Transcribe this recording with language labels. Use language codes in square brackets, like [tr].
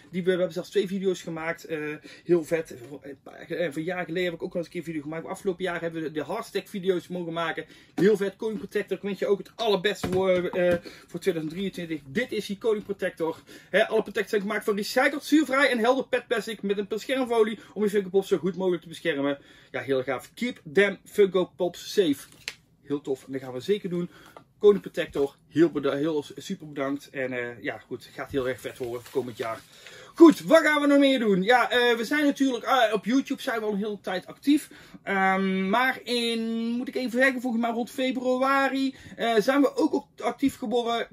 [nl] We hebben zelfs 2 video's gemaakt, heel vet. Een jaar geleden heb ik ook al eens een keer een video gemaakt. Maar afgelopen jaar hebben we de hashtag video's mogen maken. Heel vet, Koning Protector. Ik wens je ook het allerbeste voor 2023. Dit is die Koning Protector. Alle protectors zijn gemaakt van recycled, zuurvrij en helder pet plastic met een beschermfolie om je Funko Pops zo goed mogelijk te beschermen. Ja, heel erg. [en] Keep them Funko Pops safe. [nl] Heel tof. En dat gaan we zeker doen. Koning Protector. Heel super bedankt. En ja, goed. Gaat heel erg vet worden voor komend jaar. Goed. Wat gaan we nog meer doen? Ja, we zijn natuurlijk op YouTube zijn we al een hele tijd actief. Maar in, moet ik even zeggen, volgens mij rond februari zijn we ook actief geworden.